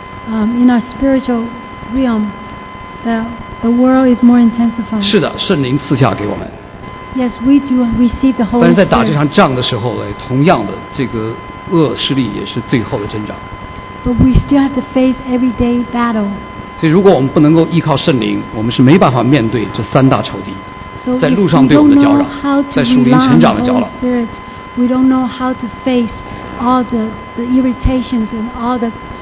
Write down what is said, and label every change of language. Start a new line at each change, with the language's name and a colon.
English: In our spiritual realm, the world is more intensified.
Chinese: 是的，圣灵赐下给我们。
English: Yes, we do receive the Holy Spirit.
Chinese: 但是在打这场仗的时候，同样的，这个恶势力也是最后的挣扎。
English: But we still have to face everyday battle.
Chinese: 所以，如果我们不能够依靠圣灵，我们是没办法面对这三大仇敌，在路上对我们的搅扰，在属灵成长的搅扰。
English: We don't know how to face all the irritations and all the.